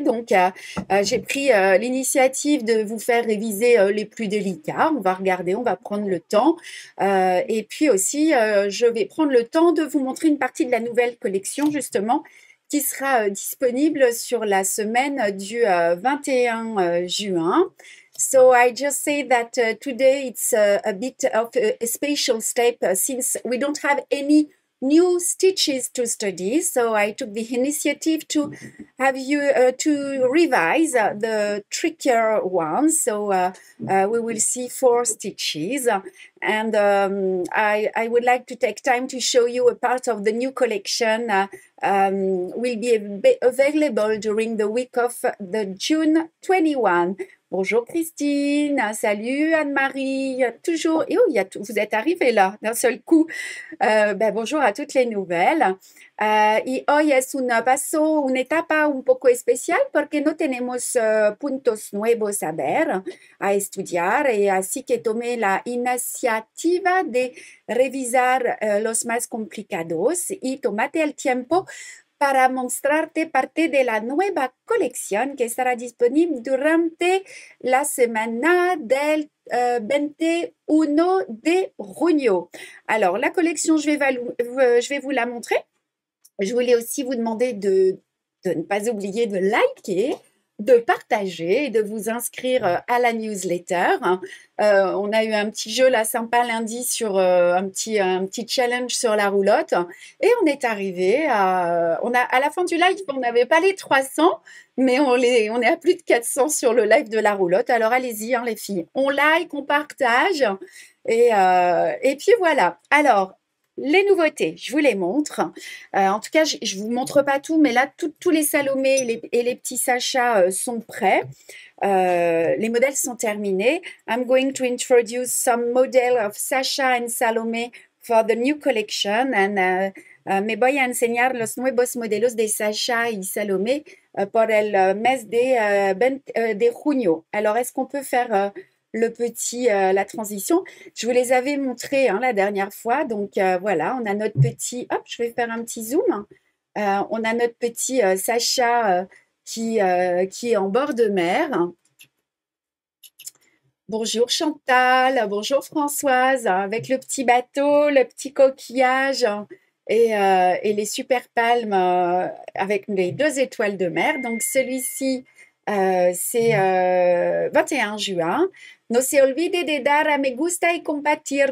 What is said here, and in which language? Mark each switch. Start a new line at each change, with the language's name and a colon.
French: Donc, j'ai pris l'initiative de vous faire réviser les plus délicats. On va regarder, on va prendre le temps. Et puis aussi, je vais prendre le temps de vous montrer une partie de la nouvelle collection justement qui sera disponible sur la semaine du 21 juin.
English: So I just say that today it's a bit of a special step since we don't have any new stitches to study. So I took the initiative to have you to revise the trickier ones. So we will see 4 stitches. And I would like to take time to show you a part of the new collection will be available during the week of the June 21.
French: Bonjour Christine, salut Anne-Marie, toujours, et oh, vous êtes arrivée là d'un seul coup, bonjour à toutes les nouvelles.
Spanish: Y hoy es un paso, una etapa un poco especial porque no tenemos puntos nuevos a ver, a estudiar, y así que tomé la iniciativa de revisar los más complicados y tomate el tiempo para mostrarte parte de la nueva colección que estará disponible durante la semana del 21 de junio.
French: Alors, la collection, je vais vous la montrer. Je voulais aussi vous demander de ne pas oublier de liker, de partager et de vous inscrire à la newsletter. On a eu un petit jeu là sympa lundi sur un petit challenge sur la roulotte et on est arrivé à la fin du live, on n'avait pas les 300 mais on est à plus de 400 sur le live de la roulotte. Alors allez-y hein, les filles, on like, on partage et puis voilà. Alors Les nouveautés, je vous les montre. En tout cas, je ne vous montre pas tout, mais là, tous les Salomé et les petits Sacha sont prêts. Les modèles sont terminés.
English: I'm going to introduce some models of Sacha and Salomé for the new collection.
Spanish: And me voy a enseñar los nuevos modelos de Sacha y Salomé por el mes de junio.
French: Alors, est-ce qu'on peut faire... la transition. Je vous les avais montrés la dernière fois. Donc, voilà, on a notre petit... Hop, je vais faire un petit zoom. On a notre petit Sacha qui est en bord de mer. Bonjour Chantal, bonjour Françoise, avec le petit bateau, le petit coquillage et les super palmes avec les deux étoiles de mer. Donc, celui-ci, c'est 21 juin.
Spanish: No se olvide de dar a me gusta y compartir.